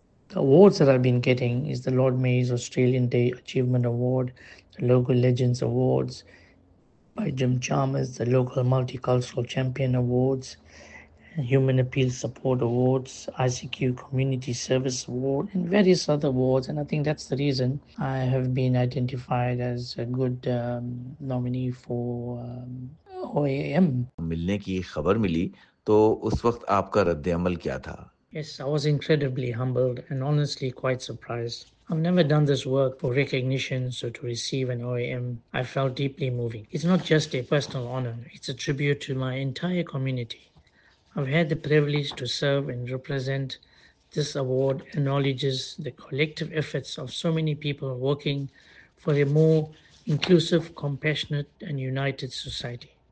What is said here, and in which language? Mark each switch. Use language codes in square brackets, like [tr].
[en] The awards that I've been getting is the Lord Mayor's Australian Day Achievement Award, the Local Legends Awards by Jim Chalmers, the Local Multicultural Champion Awards, Human Appeal Support Awards, ICQ Community Service Award, and various other awards. And I think that's the reason I have been identified as a good nominee for OAM. [hi] मिलने की खबर मिली तो उस वक्त आपका रद्द अमल क्या था? [en] Yes, I was incredibly humbled and honestly quite surprised. I've never done this work for recognition, so to receive an OAM, I felt deeply moving. It's not just a personal honor, it's a tribute to my entire community. I've had the privilege to serve and represent. This award acknowledges the collective efforts of so many people working for a more inclusive, compassionate, and united society.